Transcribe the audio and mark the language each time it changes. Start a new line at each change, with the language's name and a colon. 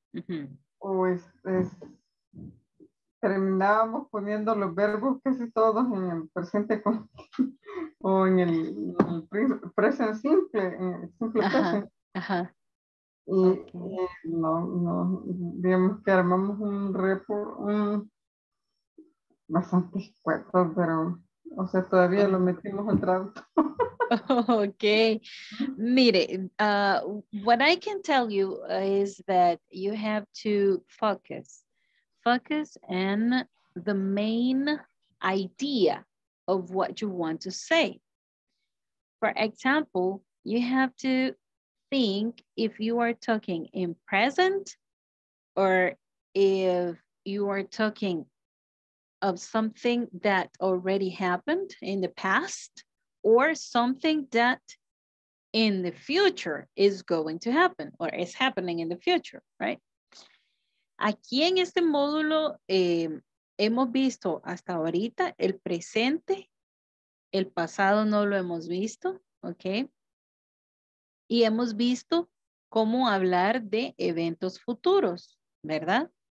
Spanish: Uh-huh. O es terminábamos poniendo los verbos casi todos en el presente o en el present simple, en el simple ajá,
English: present. Ajá.
Spanish: Y okay. No, digamos que armamos un report, un bastante escueto, pero, o sea, todavía lo metimos al traductor.
English: Okay, mire, what I can tell you is that you have to focus. Focus on the main idea of what you want to say. For example, you have to think if you are talking in present or if you are talking of something that already happened in the past or something that in the future is going to happen or is happening in the future, right?
Spanish: Aquí en este módulo hemos visto hasta ahorita el presente, el pasado no lo hemos visto, ¿ok? Y hemos visto cómo hablar de eventos futuros, ¿verdad?